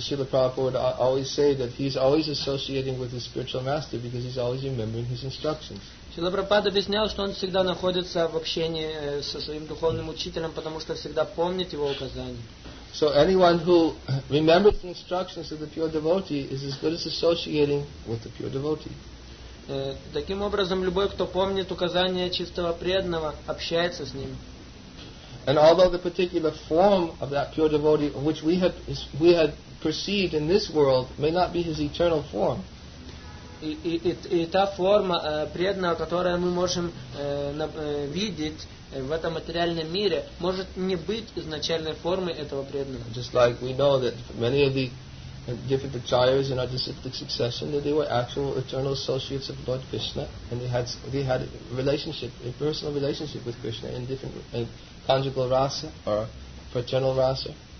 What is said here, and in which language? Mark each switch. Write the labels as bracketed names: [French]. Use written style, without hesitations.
[English] Just as Srila Prabhupada always say that he's always associating with his spiritual master because he's always remembering his instructions. [Russian] Шрила Прабхупада объяснял, что он всегда находится в общении со своим духовным учителем, потому что всегда помнит его указания. [English] So anyone who remembers the instructions of the pure devotee is as good as associating with the pure devotee. [Russian] Таким образом, любой, кто помнит указания чистого преданного, общается с ним. [English] And although the particular form of that pure devotee which we had perceived in this world may not be his eternal form. [Russian] И та форма преданного, которую мы можем видеть в этом материальном мире, может не быть изначальной формой этого преданного. [English] Just like we know that many of the different acharyas in our disciplic succession, that they were actual eternal associates of Lord Krishna, and they had a personal relationship with Krishna in different conjugal rasa or fraternal rasa.